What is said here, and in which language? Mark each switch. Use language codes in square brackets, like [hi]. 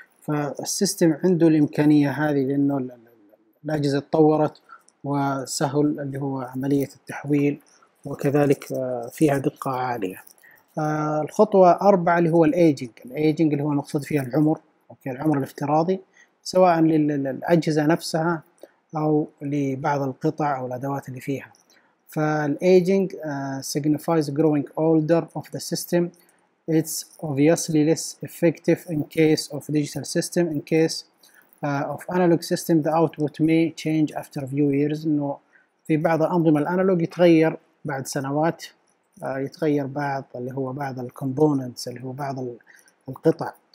[ar] فالسيستم عنده الإمكانية هذه لأنه الأجهزة تطورت وسهل اللي هو عملية التحويل، وكذلك فيها دقة عالية. الخطوة 4 اللي هو الايجينج اللي هو نقصد فيها العمر، اوكي، العمر الافتراضي، سواء للأجهزة نفسها او لبعض القطع او الادوات اللي فيها. [en] فالايجينج signifies growing older of the system. It's obviously less effective in case of digital system. In case of analog system, the output may change after a few years. [ar] إنه في بعض أنظمة الأنالوج يتغير بعد سنوات، يتغير بعض اللي هو بعض الكومبوننتس اللي هو بعض القطع.